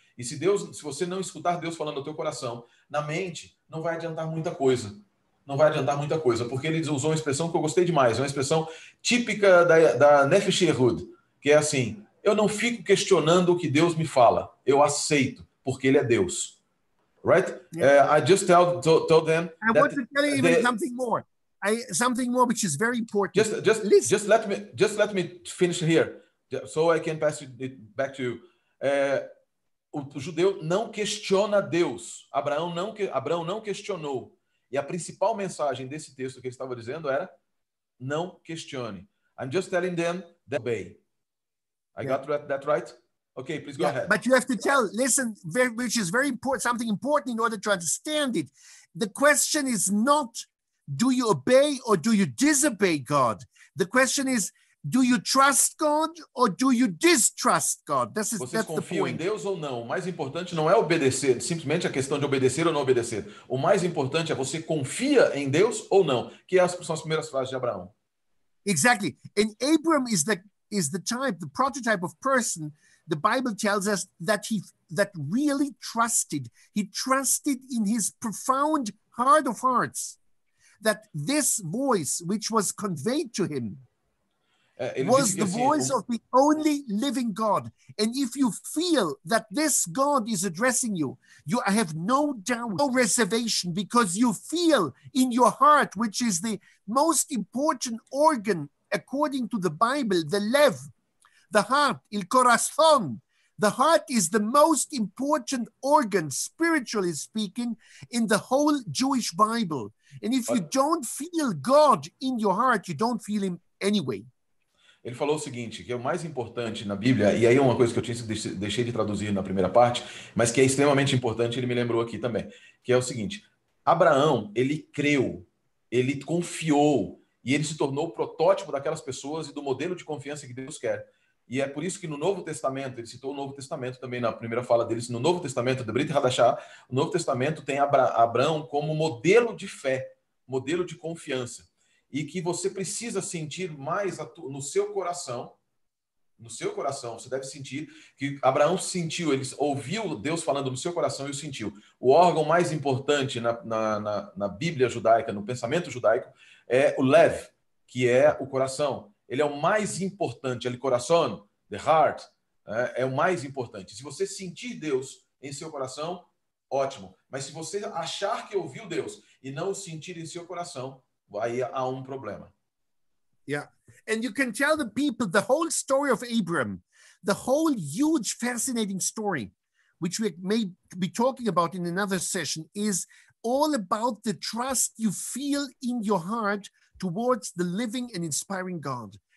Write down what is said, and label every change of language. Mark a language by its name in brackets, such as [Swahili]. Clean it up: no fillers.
[Portuguese] E se Deus, se você não escutar Deus falando ao teu coração, na mente, não vai adiantar muita coisa. Não vai adiantar muita coisa. Porque ele usou uma expressão que eu gostei demais. Uma expressão típica da Nefesh Yehud, que é assim... Eu não fico questionando o que Deus me fala. Eu aceito, porque Ele é Deus. [English] Right? Yeah. I just told them... I want to tell you even something more. Something more which is very important. Just let me finish here. So I can pass it back to you. [Portuguese] O judeu não questiona Deus. Abraão não questionou. E a principal mensagem desse texto que ele estava dizendo era não questione. [English] I'm just telling them that obey. I got that right? Okay, please go ahead. But you have to which is very important, something important in order to understand it. The question is not, do you obey or do you disobey God? The question is, do you trust God or do you distrust God? [Portuguese] Vocês confiam em Deus ou não? O mais importante não é obedecer, simplesmente a questão de obedecer ou não obedecer. O mais importante é você confia em Deus ou não, que são as primeiras frases de Abraão. [English] Exactly. And Abram is the type, the prototype of person, the Bible tells us that really trusted. He trusted in his profound heart of hearts that this voice which was conveyed to him was the voice of the only living God. And if you feel that this God is addressing you, you have no doubt, no reservation, because you feel in your heart, which is the most important organ according to the Bible, the lev, the heart, il corazón, the heart is the most important organ, spiritually speaking, in the whole Jewish Bible. And if you don't feel God in your heart, you don't feel him anyway. [Portuguese] Ele falou o seguinte, que é o mais importante na Bíblia, e aí é uma coisa que eu tinha deixei de traduzir na primeira parte, mas que é extremamente importante, ele me lembrou aqui também, que é o seguinte: Abraão, ele creu, ele confiou, e ele se tornou o protótipo daquelas pessoas e do modelo de confiança que Deus quer. E é por isso que no Novo Testamento, ele citou o Novo Testamento também na primeira fala deles, no Novo Testamento, de Brit Hadashah, o Novo Testamento tem Abraão como modelo de fé, modelo de confiança. E que você precisa sentir mais no seu coração, no seu coração, você deve sentir que Abraão sentiu, ele ouviu Deus falando no seu coração e o sentiu. O órgão mais importante na Bíblia judaica, no pensamento judaico, é o Lev, que é o coração. Ele é o mais importante, ele coração, the heart, é o mais importante. Se você sentir Deus em seu coração, ótimo. Mas se você achar que ouviu Deus e não o sentir em seu coração, aí há um problema. [English] Yeah, and you can tell the people the whole story of Abram, the whole huge fascinating story, which we may be talking about in another session, is all about the trust you feel in your heart towards the living and inspiring God.